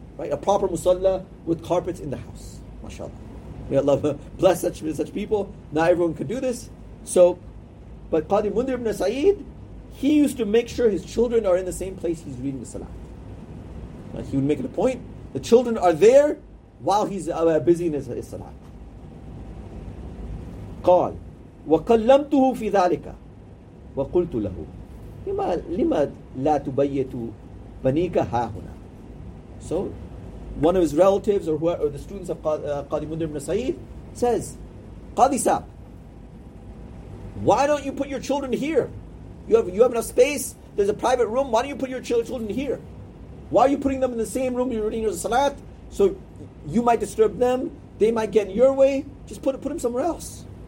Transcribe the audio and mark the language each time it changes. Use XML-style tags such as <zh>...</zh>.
<en>Right, a proper musalla with carpets in the house. MashaAllah. May Allah bless such people. Not everyone could do this. So, but Qadi Mundhir ibn Sa'id, he used to make sure his children are in the same place he's reading the salat. Right? He would make it a point. The children are there while he's busy in his salat.</en> <ar>قال وكلمته في ذلك وقلت له لما لا تبيت بنيك ها هنا.</ar> <en>So, one of his relatives or the students of Qadi Mundhir ibn Sa'id says, Qadi Saab, why don't you put your children here? You have enough space, there's a private room, why don't you put your children here? Why are you putting them in the same room you're reading your salat? So you might disturb them, they might get in your way, just put them somewhere else.</en>